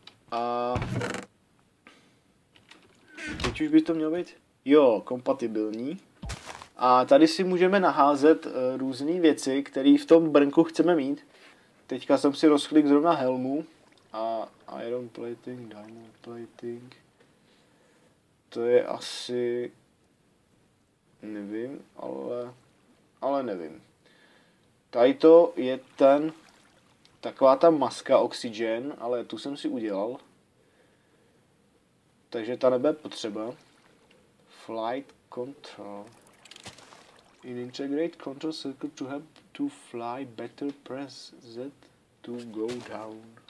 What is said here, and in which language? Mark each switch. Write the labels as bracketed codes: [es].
[cs] A teď už by to mělo být, jo, kompatibilní. A tady si můžeme naházet různé věci, které v tom brnku chceme mít. Teďka jsem si rozklik zrovna helmu. A [en] iron plating, diamond plating. [cs] To je asi, nevím, ale nevím. Tady to je ten, taková ta maska oxygen, ale tu jsem si udělal. Takže ta nebude potřeba. [en] Flight control. In integrate control circuit to help to fly better, press Z to go down.